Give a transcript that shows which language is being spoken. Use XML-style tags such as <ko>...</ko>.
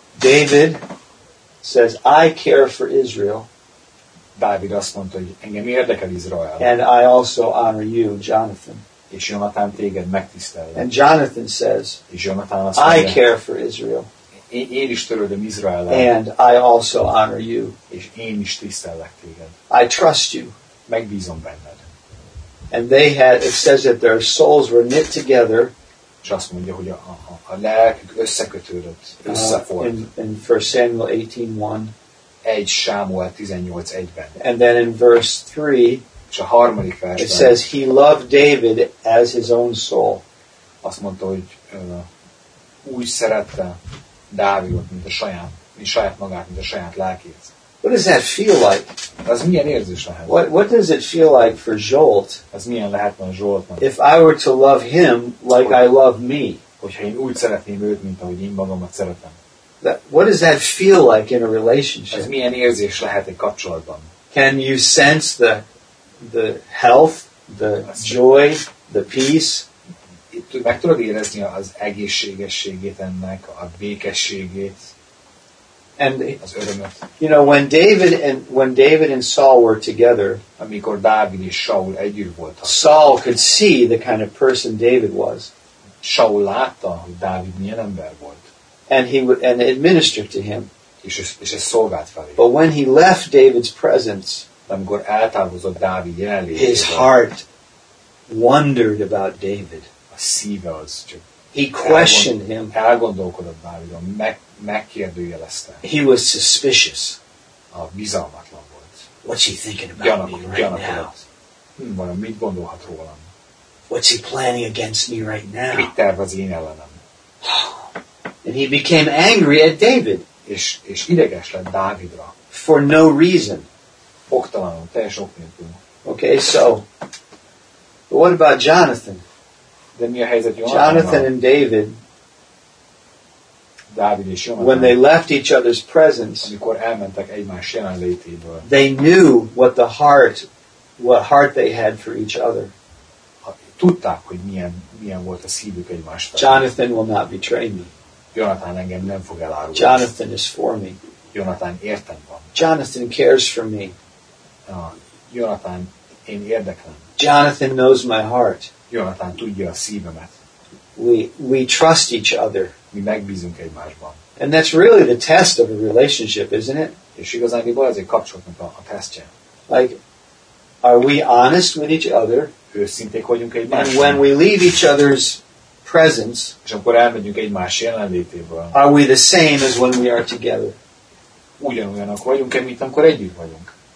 <en>David says, I care for Israel.</en> <hu>Dávid azt mondta, hogy engem érdekel Izrael.</hu> <en>And I also honor you, Jonathan.</en> <hu>És Jonathan téged megtisztel.</hu> <en>And Jonathan says,</en> <hu>és Jonathan azt mondja,</hu> <en>I care for Israel.</en> <hu>Én is törődöm Izrael.</hu> <en>And I also honor you.</en> <hu>És én is tisztellek téged.</hu> <en>I trust you.</en> <hu>Megbízom benned.</hu> <en>And they had, it says that their souls were knit together.</en> <hu>És azt mondja, hogy a lelkük összekötődött, összeforrt.</hu> <en>In 1 Samuel 18:1.</en> <hu>1 Sámuel 18:1-ben.</hu> <en>And then in verse 3,</en> <hu>és a harmadik versben,</hu> <en>it says he loved David as his own soul.</en> <hu>Azt mondta, hogy úgy szerette Dávidot, mint a saját, mint saját magát, mint a saját lelkét.</hu> <en>What does that feel like?</en> <hu>Az milyen érzés lehet?</hu> <en>What does it feel like for Zsolt?</en> <hu>Az milyen lehet van Zsoltnak?</hu> <en>If I were to love him like I love me.</en> <hu>Hogyha én úgy szeretném őt, mint ahogy én magamat szeretem.</hu> <en>What does that feel like in a relationship?</en> <hu>Az milyen érzés lehet egy kapcsolatban?</hu> <en>Can you sense the health, the joy, the peace?</en> <hu>Meg tudod érezni az egészségességét ennek, a békességét?</hu> <en>And you know, when David and Saul were together,</en> <hu>amikor Dávid és Saul együtt voltak,</hu> <en>Saul could see the kind of person David was.</en> <hu>Saul látta, hogy Dávid milyen ember volt.</hu> <en>And he would and administered to him.</en> <hu>És ezt szolgált felé.</hu> <en>But when he left David's presence,</en> <hu>amikor eltávozott Dávid jelenlétében,</hu> <en>his heart wondered about David.</en> <hu>A szíve az csak.</hu> <en>He questioned him.</en> <hu>Elgondolkodott Dávidon, megkérdőjelezte.</hu> <en>He was suspicious.</en> <hu>A bizalmatlan volt.</hu> <en>What's he thinking about me right now?</en> <hu>Vajon mit gondolhat rólam?</hu> <en>What's he planning against me right now?</en> <hu>Mit tervez én ellenem?</hu> <en>And he became angry at David.</en> <hu>És ideges lett Dávidra.</hu> <en>For no reason.</en> <hu>Oktalanul, teljes ok nélkül.</hu> <en>Okay, so. But what about Jonathan?</en> <hu>De mi a helyzet</hu> <en>Jonathan? Jonathan and David.</en> <hu>Dávid és Jonathan,</hu> <en>when they left each other's presence,</en> <hu>amikor elmentek egymás jelenlétéből,</hu> <en>they knew what the heart, what heart they had for each other.</en> <hu>Tudták, hogy milyen volt a szívük egymás felé.</hu> <en>Jonathan will not betray me.</en> <hu>Jonathan engem nem fog elárulni.</hu> <en>Jonathan is for me.</en> <hu>Jonathan értem van.</hu> <en>Jonathan cares for me.</en> <hu>Jonathan, én érdeklem.</hu> <en>Jonathan knows my heart.</en> <hu>Jonathan tudja a szívemet.</hu> <en>We trust each other.</en> <hu>Mi megbízunk egymásban.</hu> <en>And that's really the test of a relationship, isn't it?</en> <hu>És igazából ez egy kapcsolatnak a tesztje.</hu> <en>Like, are we honest with each other?</en> <hu>Őszinték vagyunk egymásban.</hu> <en>And when we leave each other's presence,</en> <hu>és akkor elmegyünk egymás jelenlétéből,</hu> <en>are we the same as when we are together?</en> <hu>Ugyanolyanak vagyunk-e, mint amikor együtt vagyunk?</hu>